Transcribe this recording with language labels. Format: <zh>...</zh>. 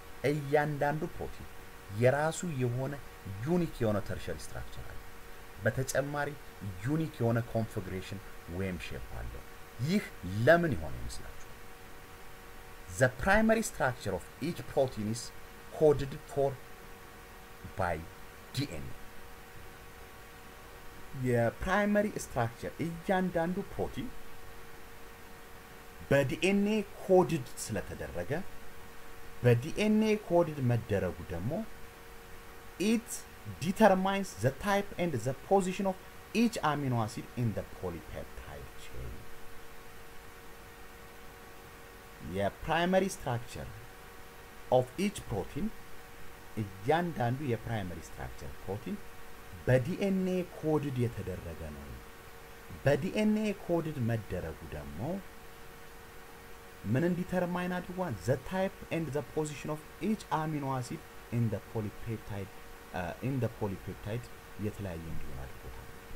<am>እያንዳንዱ protein የራሱ የሆነ unique የሆነ tertiary structure አለ። በተጨማሪ unique የሆነ configuration ወይም shape አለ። ይህ ለምን ይሆን ይመስላችኋል?</am> <en>The primary structure of each protein is coded for by DNA.</en> <am>የprimary structure እያንዳንዱ protein በDNA coded ስለተደረገ በDNA coded መደረጉ ደግሞ</am> <en>it determines the type and the position of each amino acid in the polypeptide chain. Yeah, primary structure of each protein</en> <am>እያንዳንዱ የprimary structure protein በDNA coded የተደረገ ነው። በDNA coded መደረጉ ደግሞ ምን ዲተርማይን አድርጓል?</am> <en>ዘ ታይፕ ኤንድ ዘ ፖዚሽን ኦፍ ኢች አሚኖ አሲድ ኢን ዘ ፖሊፔፕታይድ ኢን ዘ ፖሊፔፕታይድ</en> <am>የተለያየ እንዲሆን አድርጓል።</am>